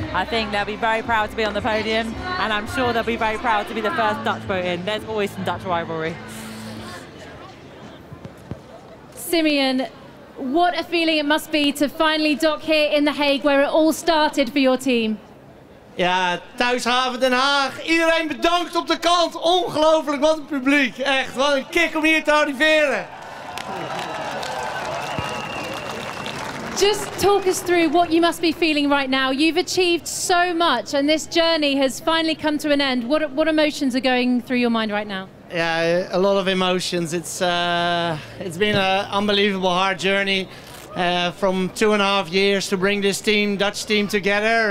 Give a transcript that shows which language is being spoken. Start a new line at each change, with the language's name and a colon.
English: I think they'll be very proud to be on the podium, and I'm sure they'll be very proud to be the first Dutch boat in. There's always some Dutch rivalry. Simeon, what a feeling it must be to finally dock here in The Hague, where it all started for your team.
Dutch: Ja, thuishaven Den Haag. Iedereen bedankt op de kant. Ongelooflijk, wat een publiek. Echt, wat een kick om hier te arriveren.
English: Just talk us through what you must be feeling right now. You've achieved so much and this journey has finally come to an end. What emotions are going through your mind right now? Yeah, a lot of emotions. It's been an unbelievable hard journey from 2.5 years to bring this team, Dutch team, together.